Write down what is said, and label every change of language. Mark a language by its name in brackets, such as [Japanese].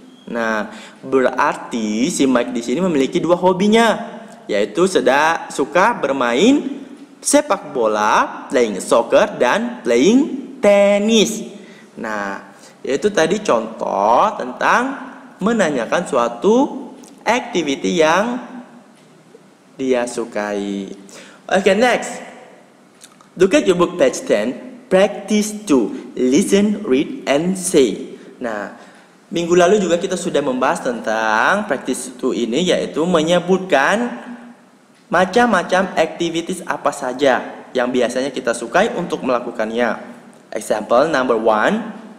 [Indonesian] Nah, berarti si Mike di sini memiliki dua hobinya, yaitu sedang suka bermain sepak bola, [English] playing soccer, [Indonesian] dan [English] playing tennis. [Indonesian] Nah, itu tadi contoh tentang menanyakan suatu activity yang dia sukai. [English] Okay, next. Look at your book page 10, practice 2, listen, read, and say. [Indonesian] Nah, minggu lalu juga kita sudah membahas tentang practice 2 ini, yaitu menyebutkan macam-macam activities apa saja yang biasanya kita sukai untuk melakukannya. [English] Example number 1,